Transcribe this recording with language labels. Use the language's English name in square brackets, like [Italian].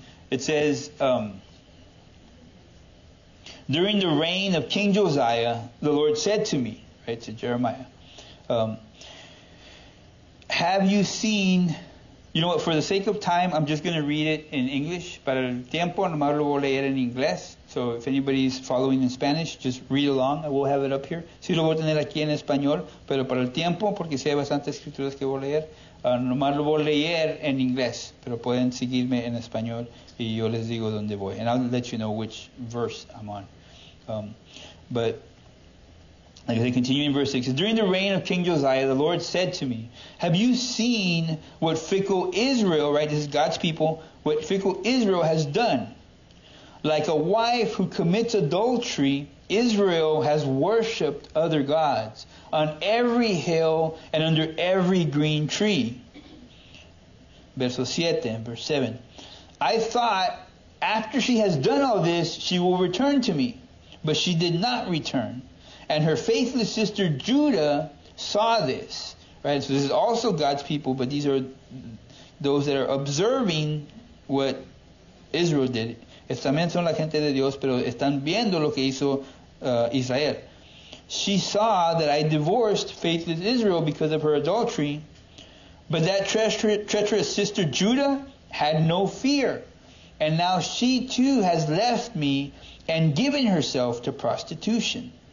[English] It says, during the reign of King Josiah, the Lord said to me, right, to Jeremiah, have you seen... You know what, for the sake of time, I'm just going to read it in English. [Spanish] Para el tiempo, nomás lo voy a leer en inglés. [English] So if anybody's following in Spanish, just read along. I will have it up here. [Spanish] Sí lo voy a tener aquí en español, pero para el tiempo, porque sí hay bastantes escrituras que voy a leer, nomás lo voy a leer en inglés. Pero pueden seguirme en español y yo les digo dónde voy. [English] And I'll let you know which verse I'm on. But... Like they continue in verse 6. During the reign of King Josiah, the Lord said to me, have you seen what fickle Israel, right, this is God's people, what fickle Israel has done? Like a wife who commits adultery, Israel has worshipped other gods on every hill and under every green tree. Verse 7. I thought After she has done all this, she will return to me. But she did not return. And her faithless sister Judah saw this. Right? So this is also God's people, but these are those that are observing what Israel did. [Spanish] También son la gente de Dios, pero están viendo lo que hizo Israel. [English] She saw that I divorced faithless Israel because of her adultery, but that treacherous sister Judah had no fear. And now she too has left me and given herself to prostitution.